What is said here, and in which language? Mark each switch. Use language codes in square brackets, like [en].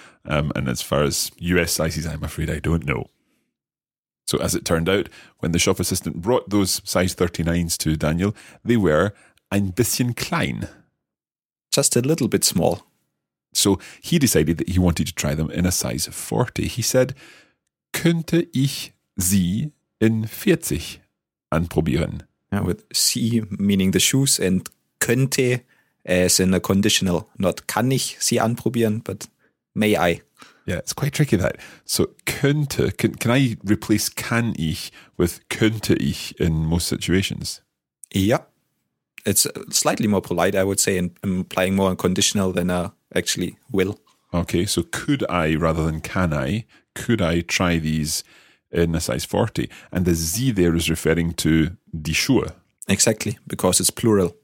[en] And as far as US sizes, I'm afraid I don't know. So as it turned out, when the shop assistant brought those size 39s to Daniel, they were [de] ein bisschen klein. [en] Just a little bit small. So he decided that he wanted to try them in a size 40. He said, [de] könnte ich sie in 40 anprobieren? [en] Yeah, with sie meaning the shoes and könnte as in a conditional, not [de] kann ich sie anprobieren, [en] but may I. Yeah, it's quite tricky that. So könnte, can I replace [de] kann ich [en] with [de] könnte ich [en] in most situations? Yeah, it's slightly more polite, I would say, and implying more unconditional than actually will. Okay, so could I rather than can I, could I try these in a size 40. And the sie there is referring to [de] die Schuhe. [en] Exactly, because it's plural.